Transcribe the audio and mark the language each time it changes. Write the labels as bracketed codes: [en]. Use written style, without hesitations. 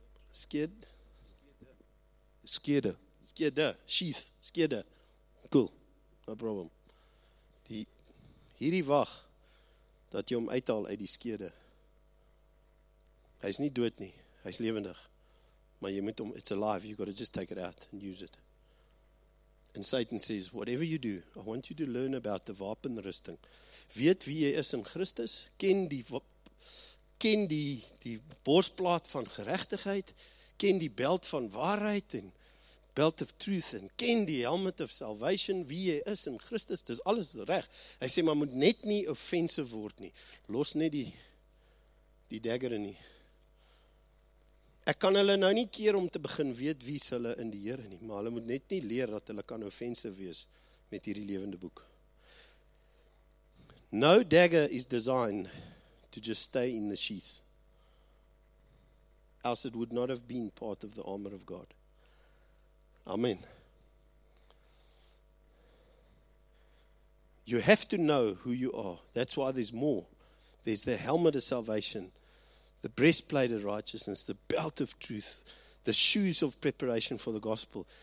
[af] Skedel. Skede, sheath, skede. [en] Cool, no problem. [af] Die, hierdie wag, dat jy hom uithaal uit die skede. Hy is nie dood nie, hy is levendig. Maar jy moet hom, [en] it's alive, you got to just take it out and use it. And Satan says, whatever you do, I want you to learn about the wapenrusting. Weet wie jy is in Christus, ken die borsplaat van gerechtigheid, ken die belt van waarheid en belt of truth, en ken die helmet of salvation, wie jy is in Christus, dis alles reg. [af] Hy sê, maar moet net nie offensive word nie. Los net die dagger nie. Ek kan hulle nou nie keer om te begin weet wie is hulle in die Here nie, maar hulle moet net nie leer dat hulle kan offensive wees met hierdie lewende boek. [en] No dagger is designed to just stay in the sheath. Else it would not have been part of the armor of God. Amen. You have to know who you are. That's why there's more. There's the helmet of salvation, the breastplate of righteousness, the belt of truth, the shoes of preparation for the gospel.